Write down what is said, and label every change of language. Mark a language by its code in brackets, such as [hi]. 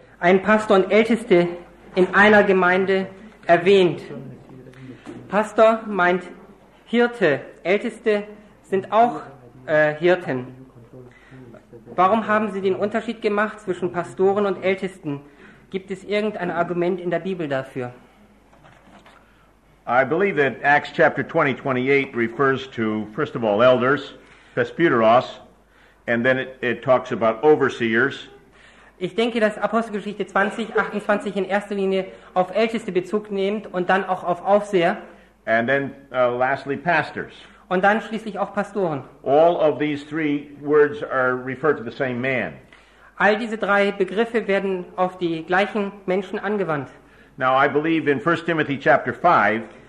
[de] ein Pastor und Älteste in einer Gemeinde erwähnt. Pastor meint Hirte, Älteste sind auch Hirten. Warum haben Sie den Unterschied gemacht zwischen Pastoren und Ältesten? Gibt es irgendein Argument in der Bibel dafür? [en] I believe that Acts chapter 20:28 refers to, first of all, elders, presbyteros, and then it talks about overseers. [de] Ich denke, dass Apostelgeschichte 20:28 in erster Linie auf Älteste Bezug nimmt und dann auch auf Aufseher. [en] And then lastly, pastors. [de] Und dann schließlich auch Pastoren. [en] All of these three words are referred to the same man. [de] All diese drei Begriffe werden auf die gleichen Menschen angewandt. [en] Now I believe in 1 Timothy chapter 5.